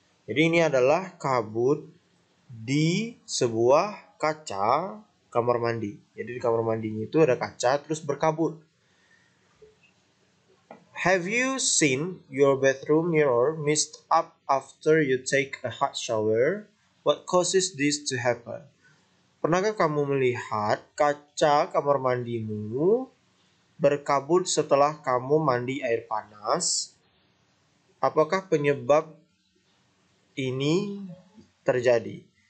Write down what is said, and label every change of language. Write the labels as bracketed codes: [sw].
[id] Jadi ini adalah kabut di sebuah kaca kamar mandi. Jadi di kamar mandinya itu ada kaca terus berkabut. [en] Have you seen your bathroom mirror mist up after you take a hot shower? What causes this to happen? [id] Pernahkah kamu melihat kaca kamar mandimu berkabut setelah kamu mandi air panas? Apakah penyebab ini terjadi?